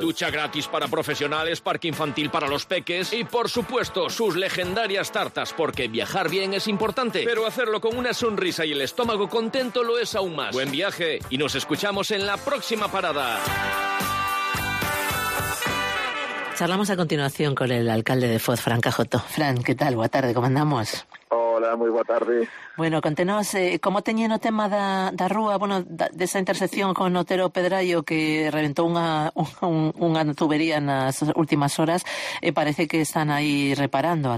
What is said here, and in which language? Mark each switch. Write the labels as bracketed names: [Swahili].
[Spanish] Ducha gratis para profesionales, parque infantil para los peques y, por supuesto, sus legendarias tartas, porque viajar bien es importante, pero hacerlo con una sonrisa y el estómago contento lo es aún más. Buen viaje y nos escuchamos en la próxima parada. Charlamos a continuación con el alcalde de Foz, Fran Cajoto. Fran, ¿qué tal? Boa tarde, ¿cómo andamos? Hola, muy boa tarde. [Galician] Bueno, contenos, ¿cómo teñen o tema da rúa, bueno, de esa intersección con Otero Pedrallo, que reventou unha tubería nas últimas horas? Parece que están aí reparando.